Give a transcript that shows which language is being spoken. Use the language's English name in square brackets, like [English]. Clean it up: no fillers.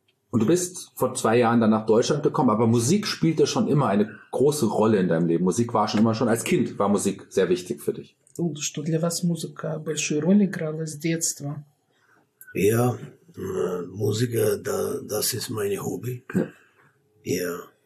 [German] Und du bist vor 2 Jahren dann nach Deutschland gekommen, aber Musik spielte schon immer eine große Rolle in deinem Leben. Musik war schon immer schon als Kind, war Musik sehr wichtig für dich. Und [Russian] что для вас музыка большую роль играла с детства? [German] Ja. Musik, das ist mein Hobby. Ja.